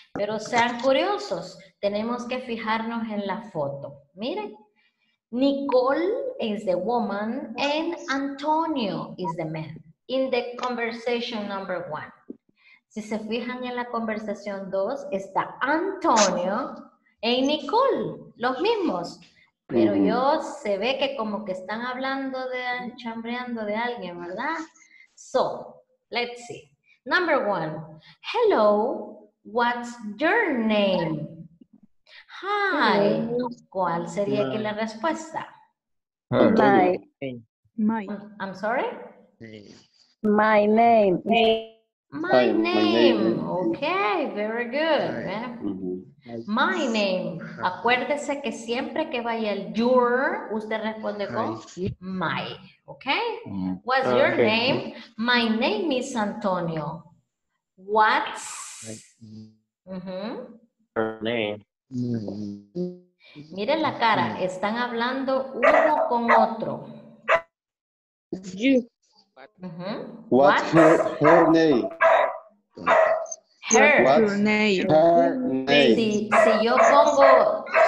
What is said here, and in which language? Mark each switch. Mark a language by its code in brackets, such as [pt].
[es] Pero sean curiosos, tenemos que fijarnos en la foto. [en] Miren, Nicole is the woman and Antonio is the man in the conversation number one. [es] Si se fijan en la conversación dos, está Antonio e Nicole, los mismos. Pero yo se ve que como que están hablando de chambreando de alguien, ¿verdad? [en] So, let's see. Number one, hello, what's your name? [es] Hi, ¿cuál sería aquí la respuesta? [en] My. My. I'm sorry? My name. My name. Okay, very good. My name. [es] Acuérdese que siempre que vaya el your, usted responde con my. Okay? [en] What's your name? My name is Antonio. What's Uh-huh. Her name. [es] Miren la cara, están hablando uno con otro. [en] You. Uh-huh. What? Her name. Her. What? Her name. Her name. [es] Si, si yo pongo...